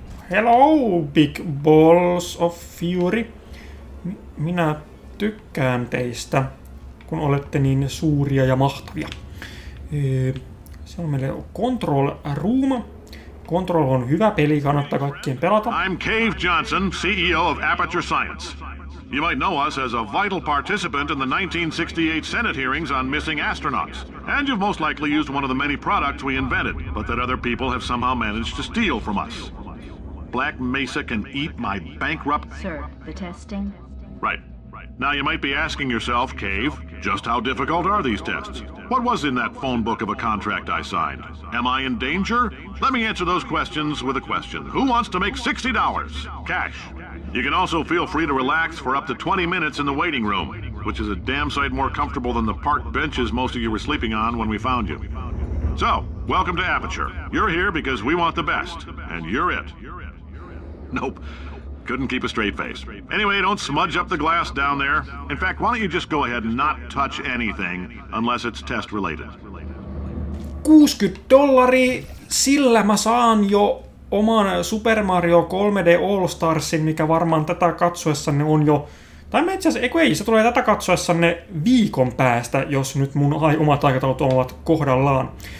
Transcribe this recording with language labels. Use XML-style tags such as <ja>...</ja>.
<en>Hello, big balls of fury.</en> <fi>Minä tykkään teistä, kun olette niin suuria ja mahtavia. Se on meille control room. Control on hyvä peli, kannattaa kaikkien pelata.</fi> <en>I'm Cave Johnson, CEO of Aperture Science. You might know us as a vital participant in the 1968 Senate hearings on missing astronauts. And you've most likely used one of the many products we invented, but that other people have somehow managed to steal from us. Black Mesa can eat my bankrupt... Sir, the testing? Right. Now you might be asking yourself, Cave, just how difficult are these tests? What was in that phone book of a contract I signed? Am I in danger? Let me answer those questions with a question. Who wants to make $60? Cash. You can also feel free to relax for up to 20 minutes in the waiting room, which is a damn sight more comfortable than the park benches most of you were sleeping on when we found you. So, welcome to Aperture. You're here because we want the best, and you're it. Nope. Couldn't keep a straight face. Anyway, don't smudge up the glass down there. In fact, why don't you just go ahead and not touch anything unless it's test related.</en> <fi>$60, sillä mä saan jo oman Super Mario 3D All Starsin, mikä varmaan tätä katsoessanne on jo... Tai mä itseasiassa, se tulee tätä katsoessanne viikon päästä, jos nyt mun omat aikataulut ovat kohdallaan.</fi>